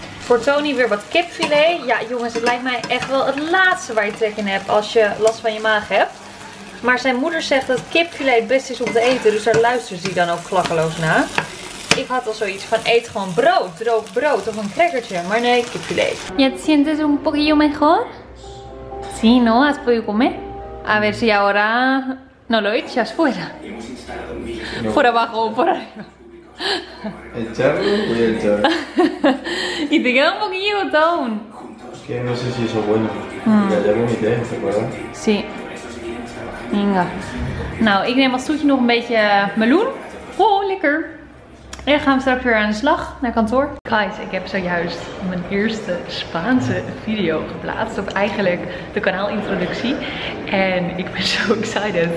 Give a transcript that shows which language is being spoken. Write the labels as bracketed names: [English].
[Dutch] Voor Tony weer wat kipfilet. Ja jongens, het lijkt mij echt wel het laatste waar je trek in hebt als je last van je maag hebt. Maar zijn moeder zegt dat kipfilet het beste is om te eten, dus daar luistert hij dan ook klakkeloos naar. Ik had al zoiets van eet gewoon brood, droog brood of een crackertje, maar nee, kipfilet. [Spanish] Ja, te sientes un poquillo mejor? Sí, ¿no? ¿Has podido comer? A ver si ahora no lo echas fuera. No. Fuera abajo o por arriba. ¿Echarlo? Voy a echar. Y te queda un poquillo botón. Es que no sé si eso es bueno. Ya vomité, ¿te acuerdas? Sí. Venga. [Dutch] Nou, ik neem als toetje nog een beetje meloen. Oh, lekker. En gaan we straks weer aan de slag naar kantoor. Guys, ik heb zojuist mijn eerste Spaanse video geplaatst. Of eigenlijk de kanaalintroductie. En ik ben zo excited.